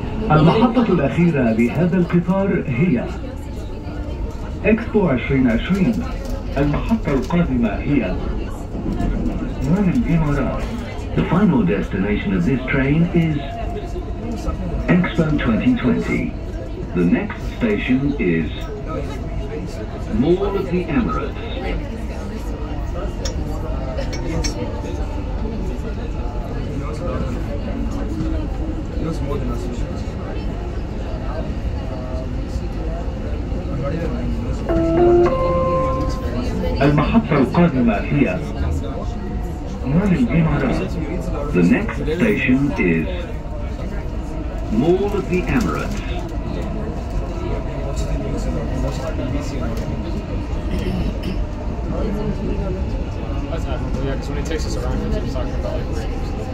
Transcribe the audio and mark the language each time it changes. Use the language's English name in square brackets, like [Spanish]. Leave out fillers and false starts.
[Arabic] المحطة الأخيرة لهذا القطار هي إكسبو 2020. المحطة القادمة هي من الإمارات. [English] The final destination of this train is Expo 2020. The next station is Mall of the Emirates. [Arabic] المحطة القادمة هي مول الإمارات. [English] The next station is Mall of the Emirates. That's admirable, yeah, because when he takes us around, he's talking about, like, rings.